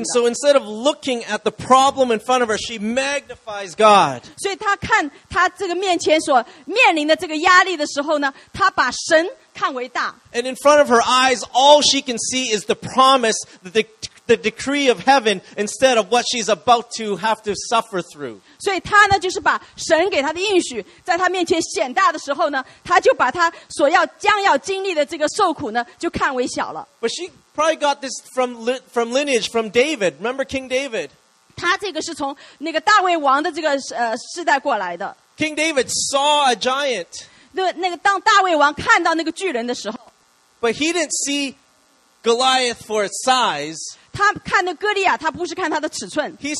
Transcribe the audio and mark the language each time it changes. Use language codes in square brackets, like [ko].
[en] And so instead of looking at the problem in front of her, she magnifies God. [zh] 所以她看她这个面前所面临的这个压力的时候呢，她把神看为大。 [en] And in front of her eyes, all she can see is the promise that the decree of heaven instead of what she's about to have to suffer through. [zh] 所以她呢就是把神给她的应许在她面前显大的时候呢，她就把她所要将要经历的这个受苦呢就看为小了。 [en] But she probably got this from lineage, from David. Remember King David? [zh] 她这个是从那个大卫王的这个世代过来的。 [en] King David saw a giant. [zh] 那个当大卫王看到那个巨人的时候。 [en] But he didn't see Goliath for its size. [zh] 他看的哥利亚，他不是看他的尺寸。 [en] He